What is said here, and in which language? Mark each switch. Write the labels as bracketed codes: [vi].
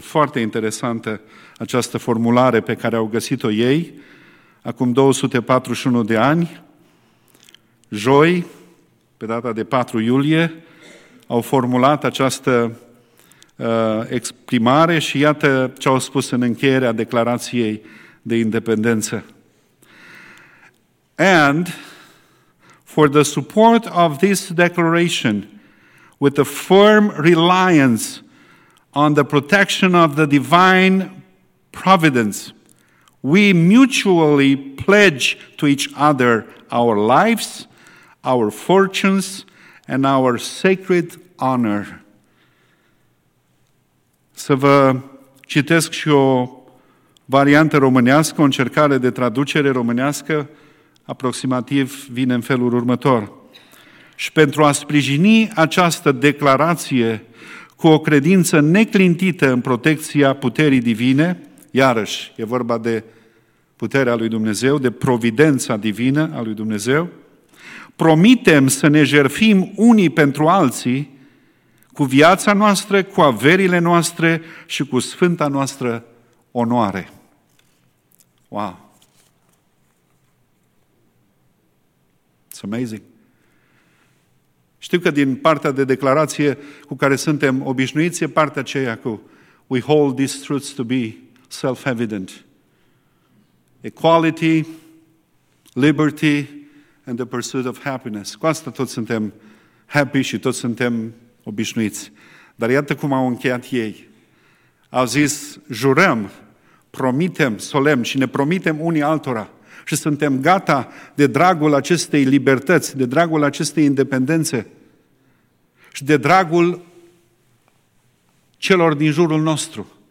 [ro] Foarte interesantă această formulare pe care au găsit-o ei acum 241 de ani. Joi, pe data de 4 iulie, au formulat această exprimare și iată ce au spus în încheierea declarației de independență. [en] And for the support of this declaration, with a firm reliance on the protection of the divine providence, we mutually pledge to each other our lives, our fortunes, and our sacred honor. [ro] Să vă citesc și o variantă românească, o încercare de traducere românească, aproximativ vine în felul următor. Și pentru a sprijini această declarație cu o credință neclintită în protecția puterii divine, iarăși e vorba de puterea lui Dumnezeu, de providența divină a lui Dumnezeu, promitem să ne jertfim unii pentru alții, cu viața noastră, cu averile noastre și cu sfânta noastră onoare. Wow! [en] It's amazing! [ro] Știu că din partea de declarație cu care suntem obișnuiți e partea aceea cu [en] we hold these truths to be self-evident. equality, liberty and the pursuit of happiness. [ro] Cu asta toți suntem happy și toți suntem obișnuiți. Dar iată cum au încheiat ei. Au zis, jurăm, promitem solemn și ne promitem unii altora și suntem gata de dragul acestei libertăți, de dragul acestei independențe și de dragul celor din jurul nostru.